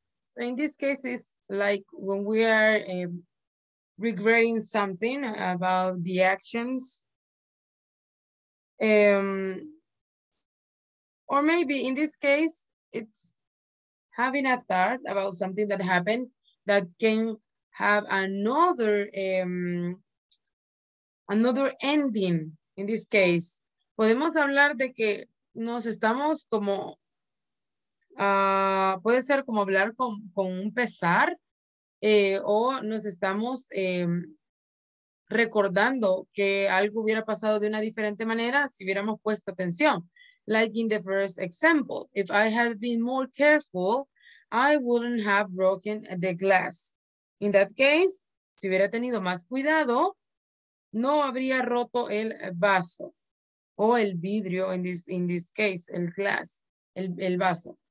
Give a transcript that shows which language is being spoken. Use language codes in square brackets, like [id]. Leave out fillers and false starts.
[en] So in this case, it's like when we are regretting something about the actions. Or maybe in this case, it's having a thought about something that happened that can have another another ending in this case. [es] Podemos hablar de que nos estamos como, puede ser como hablar con un pesar, o nos estamos recordando que algo hubiera pasado de una diferente manera si hubiéramos puesto atención. [en] Like in the first example, if I had been more careful, I wouldn't have broken the glass. In that case, [es] si hubiera tenido más cuidado, no habría roto el vaso o el vidrio, [en] in this case, [es] el glass, el vaso.